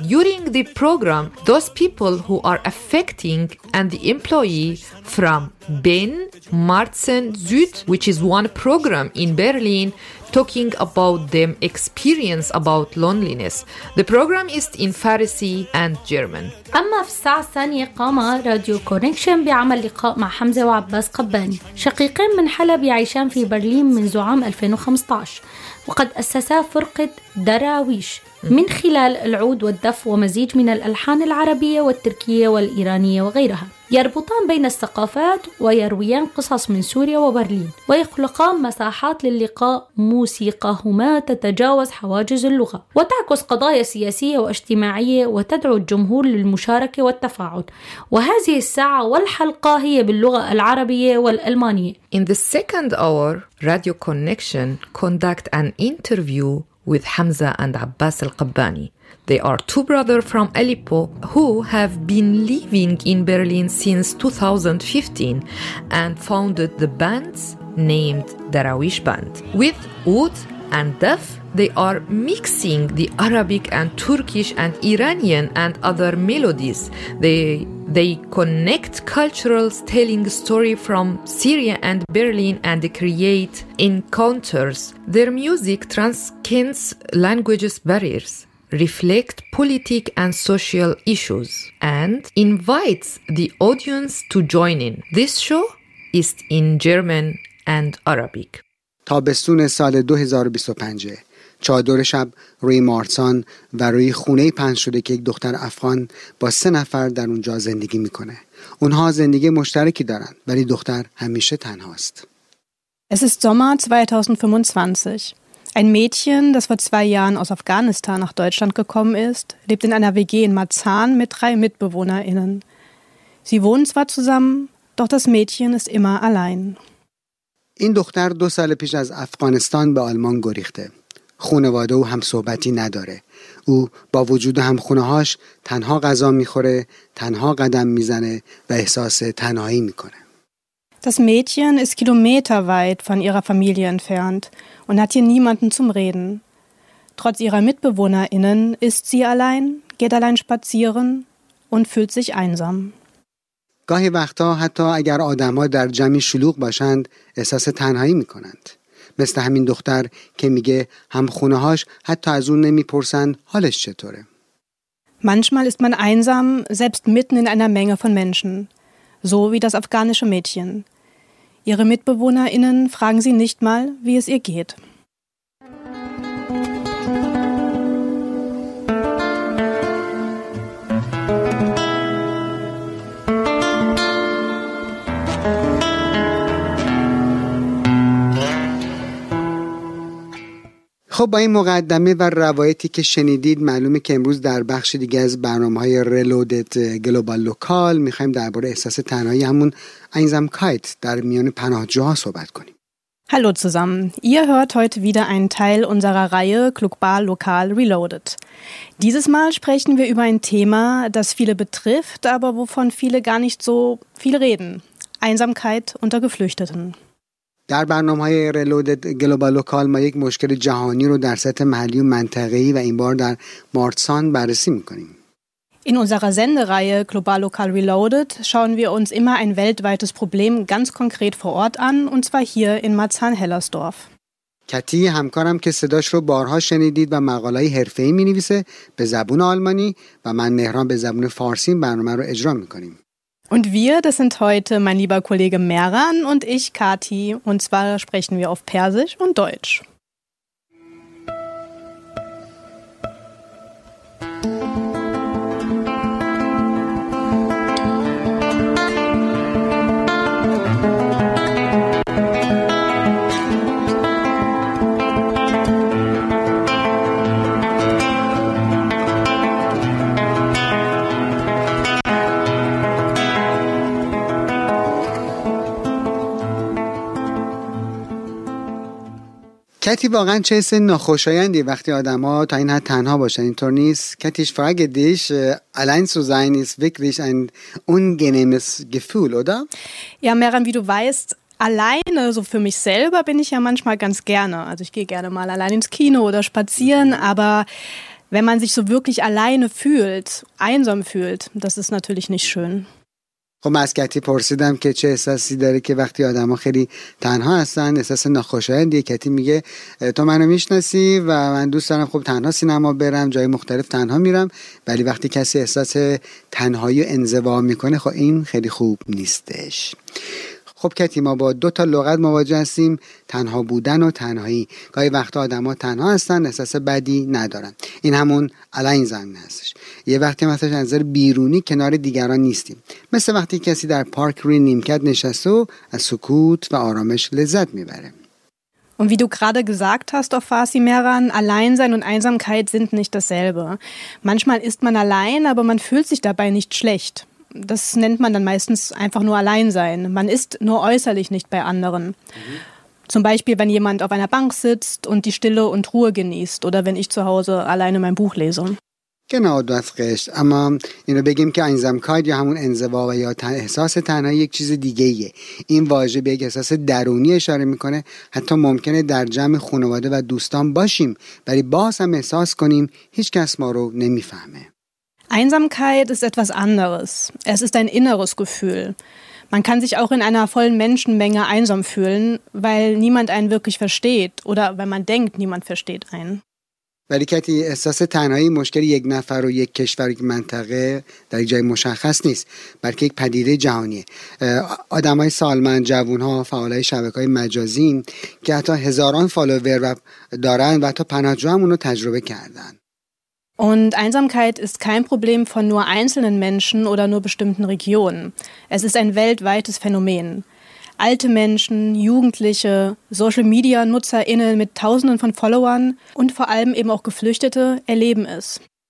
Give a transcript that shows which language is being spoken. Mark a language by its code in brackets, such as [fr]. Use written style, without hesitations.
[en] During the program, those people who are affecting and the employee from Ben Marzen Süd, which is one program in Berlin, talking about them experience about loneliness. The program is in Farsi and German. [ar] أما في الساعة الثانية قام راديو كونيكشن بعمل لقاء مع حمزة وعباس قباني، شقيقين من حلب يعيشان في برلين منذ عام 2015، وقد أسسا فرقة دراويش من خلال العود والدف ومزيج من الألحان العربية والتركية والإيرانية وغيرها. يربطان بين الثقافات ويرويان قصص من سوريا وبرلين، ويخلقان مساحات للقاء موسيقاهما تتجاوز حواجز اللغة وتعكس قضايا سياسية واجتماعية وتدعو الجمهور للمشاركة والتفاعل. وهذه الساعة والحلقة هي باللغة العربية والألمانية. [en] In the second hour, Radio Connection conduct an interview with Hamza and Abbas Al-Qabbani. They are two brothers from Aleppo who have been living in Berlin since 2015 and founded the band named Darawish Band. With oud and def, they are mixing the Arabic and Turkish and Iranian and other melodies. They connect cultures, telling story from Syria and Berlin, and create encounters. Their music transcends languages barriers, reflect politic and social issues, and invites the audience to join in. This show is in German and Arabic. [fa] تابستون سال 2025، چادر شب روی مارسان و روی خونه پهن شده که یک دختر افغان با 3 نفر در اونجا زندگی میکنه. اونها زندگی مشترکی دارن ولی دختر همیشه تنهاست. [de] Es ist Sommer 2025. Ein Mädchen, das vor 2 Jahren aus Afghanistan nach Deutschland gekommen ist, lebt in einer WG in Marzahn mit 3 MitbewohnerInnen. Sie wohnen zwar zusammen, doch das Mädchen ist immer allein. [fa] این دختر 2 سال پیش از افغانستان به آلمان گریخته. خانواده و هم صحبتی نداره. او با وجود هم خونه‌هاش تنها غذا میخوره، تنها قدم میزنه و احساس تنهایی میکنه. [de] Das Mädchen ist kilometerweit von ihrer Familie entfernt und hat hier niemanden zum Reden. Trotz ihrer MitbewohnerInnen ist sie allein, geht allein spazieren und fühlt sich einsam. [fa] گاهی وقتا حتی اگر آدم‌ها در جمعی شلوغ باشند احساس تنهایی می‌کنند. مثل همین دختر که میگه هم خونه‌هاش حتی از اون نمی‌پرسند حالش چطوره. [de] Manchmal ist man einsam, selbst mitten in einer Menge von Menschen. So wie das afghanische Mädchen. Ihre MitbewohnerInnen fragen sie nicht mal, wie es ihr geht. [fa] خب با این مقدمه و روایتی که شنیدید معلومه که امروز در بخش دیگه از برنامه‌های Reloaded Global Local می‌خوایم درباره احساس تنهایی همون Einsamkeit در میان پناهجوها صحبت کنیم. [de] Hallo zusammen. Ihr hört heute wieder einen Teil unserer Reihe Global Local Reloaded. Dieses Mal sprechen wir über ein Thema, das viele betrifft, aber wovon viele gar nicht so viel reden. Einsamkeit unter Geflüchteten. [fa] در برنامه‌های Reloaded Global Local ما یک مشکل جهانی رو در سطح محلی و منطقه‌ای و این بار در مارتسان بررسی می‌کنیم. [de] In unserer Sendereihe Global Local Reloaded schauen wir uns immer ein weltweites Problem ganz konkret vor Ort an und zwar hier in Marzahn-Hellersdorf. [fa] کتی همکارم که صداش رو بارها شنیدید و مقاله‌ای حرفه‌ای می‌نویسه به زبان آلمانی و من مهران به زبان فارسی برنامه رو اجرا می‌کنیم. [de] Und wir, das sind heute mein lieber Kollege Mehran und ich, Kati. Und zwar sprechen wir auf Persisch und Deutsch. [fa] کتی واقعا چه حس ناخوشایندی وقتی آدم ها تا این حد تنها باشن اینطور نیست؟ کتی [de] ich frage dich, allein zu sein ist wirklich ein unangenehmes Gefühl, oder? Ja, Mehran, wie du weißt, alleine, so für mich selber, bin ich ja manchmal ganz gerne. Also ich gehe gerne mal allein ins Kino oder spazieren, aber wenn man sich so wirklich alleine fühlt, einsam fühlt, das ist natürlich nicht schön. [fa] خب از کتی پرسیدم که چه احساسی داره که وقتی آدم ها خیلی تنها هستن احساس ناخوشایندی. کتی میگه تو منو میشناسی و من دوست دارم خب تنها سینما برم، جای مختلف تنها میرم، ولی وقتی کسی احساس تنهایی و انزوا میکنه خب این خیلی خوب نیستش. خب کتی، ما با دو تا لغت مواجه هستیم، تنها بودن و تنهایی. گاهی وقتا آدم ها تنها هستن احساس بدی ندارن، این همون الان زمینه هستش. یه وقتی مثلا از نظر بیرونی کنار دیگران نیستیم، مثل وقتی کسی در پارک روی نیمکت نشسته و از سکوت و آرامش لذت میبره. [de] Und wie du gerade gesagt hast, auf Farsi Mehran, Alleinsein und Einsamkeit sind nicht dasselbe. Manchmal ist man allein, aber man fühlt sich dabei nicht schlecht. Das nennt man dann meistens einfach nur Alleinsein. Man ist nur äußerlich nicht bei anderen. Mhm. Zum Beispiel, wenn jemand auf einer Bank sitzt und die Stille und Ruhe genießt oder wenn ich zu Hause alleine mein Buch lese. Genau, du hast recht. Aber [fa] اینو بگیم که انزمکاید یا همون انزوا و یا احساس تنهایی یک چیز دیگه ایه. این واژه به یک احساس درونی اشاره میکنه. حتی ممکنه در جمع خانواده و دوستان باشیم ولی باز هم احساس کنیم هیچ کس ما رو نمیفهمه. [de] Einsamkeit ist etwas anderes. Es ist ein inneres Gefühl. Man kann sich auch in einer vollen Menschenmenge einsam fühlen, weil niemand einen wirklich versteht oder weil man denkt, niemand versteht einen. [fa] ولی کتی، احساس تنهایی مشکل یک نفر و یک کشور و یک منطقه در یک جای مشخص نیست، بلکه یک پدیده جهانیه. آدم های سالمند، جوان ها، فعال های شبکه های مجازی که حتی هزاران فالوور دارن و حتی پناهجو هم اونو تجربه کردن. [de] Und Einsamkeit ist kein Problem von nur einzelnen Menschen oder nur bestimmten Regionen. Es ist ein weltweites Phänomen. Alte Menschen, Jugendliche, Social-Media-NutzerInnen mit Tausenden von Followern und vor allem eben auch Geflüchtete erleben es.